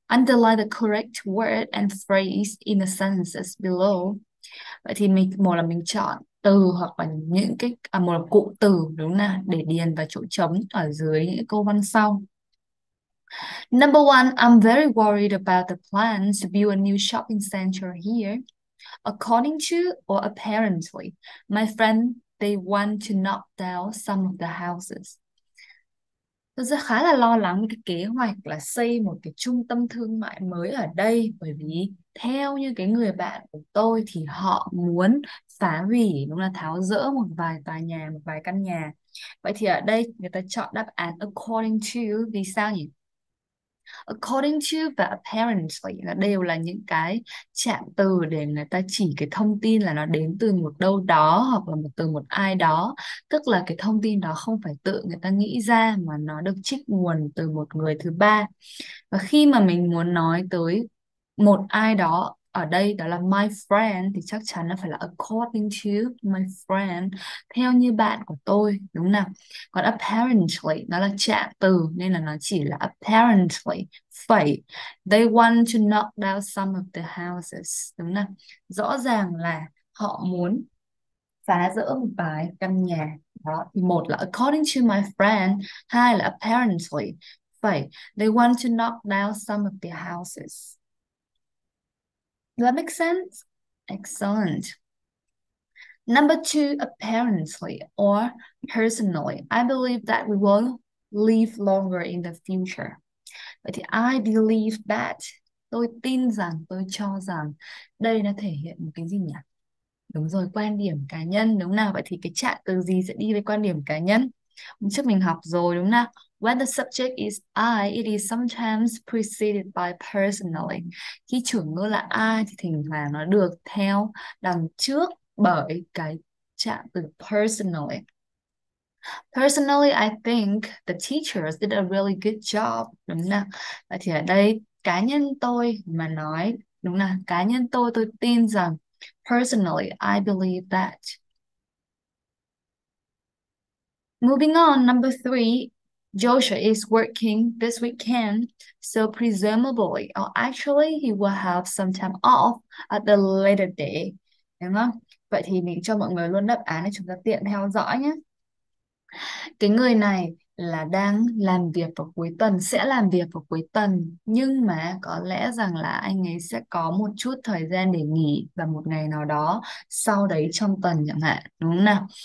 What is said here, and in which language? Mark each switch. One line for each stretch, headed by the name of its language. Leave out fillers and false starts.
English: Underline the correct word and phrase in the sentences below.
Vietnamese: Vậy thì mình một là mình chọn từ hoặc là những cái một là cụm từ, đúng không nào, để điền vào chỗ trống ở dưới những câu văn sau.
English: Number one, I'm very worried about the plan to build a new shopping center here. According to or apparently, my friend, they want to knock down some of the houses.
Vietnamese: Tôi rất khá là lo lắng về cái kế hoạch là xây một cái trung tâm thương mại mới ở đây, bởi vì theo như cái người bạn của tôi thì họ muốn phá hủy, đúng là tháo dỡ một vài tòa nhà, một vài căn nhà. Vậy thì ở đây người ta chọn đáp án according to, vì sao nhỉ? According to và apparently là đều là những cái trạng từ để người ta chỉ cái thông tin là nó đến từ một đâu đó hoặc là một từ một ai đó, tức là cái thông tin đó không phải tự người ta nghĩ ra mà nó được trích nguồn từ một người thứ ba. Và khi mà mình muốn nói tới một ai đó ở đây, đó là my friend, thì chắc chắn là phải là
English: according to my friend,
Vietnamese: theo như bạn của tôi, đúng nào? Còn apparently nó là trạng từ nên là nó chỉ là apparently phẩy.
English: They want to knock down some of the houses,
Vietnamese: đúng nào? Rõ ràng là họ muốn phá dỡ một vài căn nhà đó. Thì một là
English: according to my friend,
Vietnamese: hai là apparently phẩy.
English: They want to knock down some of the houses. Does that make sense? Excellent. Number two, apparently or personally, I believe that we will live longer in the future.
Vietnamese: Vậy thì
English: I believe that,
Vietnamese: tôi tin rằng, tôi cho rằng, đây nó thể hiện một cái gì nhỉ? Đúng rồi, quan điểm cá nhân, đúng nào? Vậy thì cái trạng từ gì sẽ đi với quan điểm cá nhân? Hôm trước mình học rồi, đúng nào?
English: When the subject is I, it is sometimes preceded by personally.
Vietnamese: Khi chủ ngữ là I thì thỉnh thoảng nó được theo đằng trước bởi cái trạng từ personally.
English: Personally, I think the teachers did a really good job.
Vietnamese: Đúng không nào? Vậy thì ở đây, cá nhân tôi mà nói, đúng là cá nhân tôi tin rằng
English: personally, I believe that. Moving on, number three. Joshua is working this weekend, so presumably, or actually, he will have some time off at the later day.
Vietnamese: Đúng không? Vậy thì mình cho mọi người luôn đáp án để chúng ta tiện theo dõi nhé. Cái người này là đang làm việc vào cuối tuần, sẽ làm việc vào cuối tuần, nhưng mà có lẽ rằng là anh ấy sẽ có một chút thời gian để nghỉ vào một ngày nào đó sau đấy trong tuần chẳng hạn, đúng không nào?